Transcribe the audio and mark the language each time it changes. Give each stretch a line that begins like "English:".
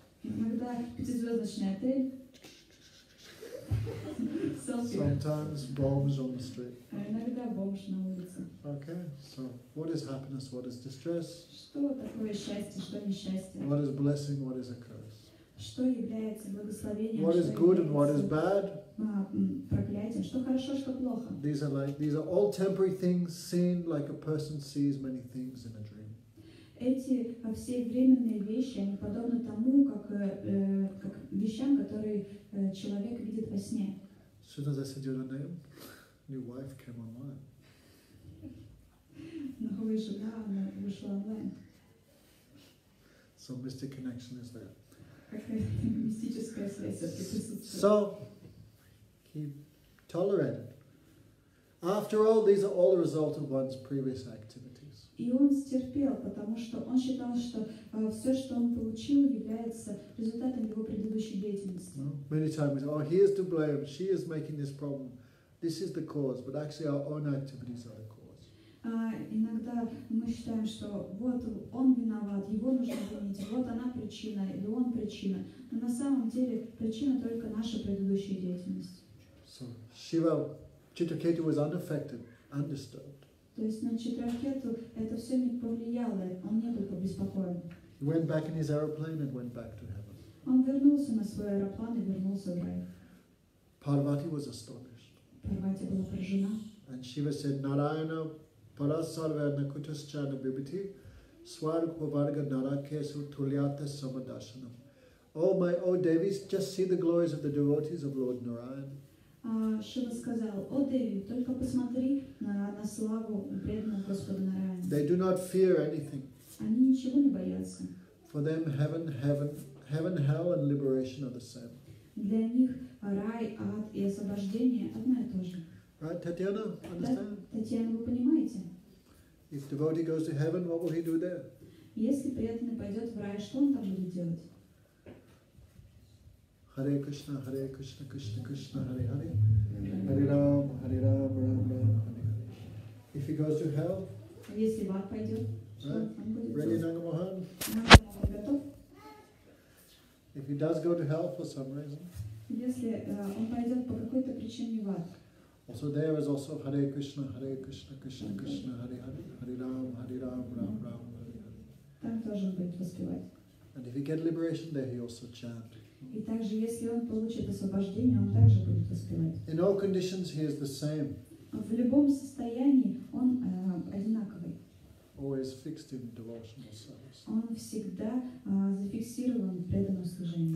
Russian: Иногда пятизвездочный отель. Селфи.
English: Sometimes bombs on the street.
Russian: Иногда бомж на улице.
English: Okay, so what is happiness, what is distress?
Russian: Что такое счастье, что несчастье?
English: What is blessing, what is a curse?
Russian: Что является благословением?
English: What is good and what is bad?
Russian: Проклятием. Что хорошо, что плохо?
English: These are all temporary things seen like a person sees many things in a dream.
Russian: Эти все временные вещи, они подобны тому, как вещам, которые человек видит во сне.
English: As soon as I said your name, new wife came online.
Russian: Новая жена, она вышла онлайн.
English: So mystic connection is there.
Russian: Какая-то мистическая связь.
English: So, keep tolerated. After all, these are all the result of one's previous activity.
Russian: И он стерпел, потому что он считал, что все, что он получил, является результатом его предыдущей деятельности.
English: Well, many times, oh, he is to blame, she is making this problem, this is the cause, but actually our own activities are the cause.
Russian: Иногда мы считаем, что вот он виноват, его нужно винить, вот она причина, или он причина. Но на самом деле причина только наша предыдущая деятельность.
English: So, Shiva, Citraketu was unaffected, undisturbed.
Russian: То есть на Читракету это все не повлияло, он не был обеспокоен.
English: He went back in his aeroplane and went back to heaven.
Russian: Он вернулся на свой аэроплан и вернулся в рай.
English: Парвати was astonished.
Russian: Парвати была поражена.
English: And Shiva said,
Sanskrit: Narayana parasarvena kutaschana bibhiti swarupa varga narakesu tulyata samadashanam.
English: Oh, Devis, just see the glories of the devotees of Lord Narayana.
Russian: Шива сказал, о Деви, только посмотри на славу преданного Господа Нараяны.
English: They do not fear anything.
Russian: Они ничего не боятся.
English: For them heaven, hell and liberation are the same.
Russian: Для них рай, ад и освобождение одно и то же.
English: Right, Татьяна, understand?
Russian: Татьяна, вы понимаете?
English: If devotee goes to heaven, what will he do there?
Russian: Если преданный пойдет в рай, что он там будет делать?
Sanskrit: Hare Krishna, Krishna Krishna, Hare Hare. Hare Ram, Hare Ram, Ram Ram, Hare Hare.
English: If he goes to hell?
Russian: Если в ад пойдет,
English: ready, Ananga Mohan?
Russian: Готов?
English: If he does go to hell for some reason?
Russian: Если он пойдет по какой-то причине в ад.
English: Also there is also
Sanskrit: Hare Krishna, Krishna Krishna, Hare Hare. Hare Ram, Hare Ram, Ram Ram, Hare Hare.
Russian: Там тоже он будет воспевать.
English: And if he get liberation there, he also chant.
Russian: И также, если он получит освобождение, он также будет воспевать.
English: In all conditions, he is the same.
Russian: В любом состоянии он одинаковый.
English: Always fixed in devotional service.
Russian: Он всегда зафиксирован в преданном служении.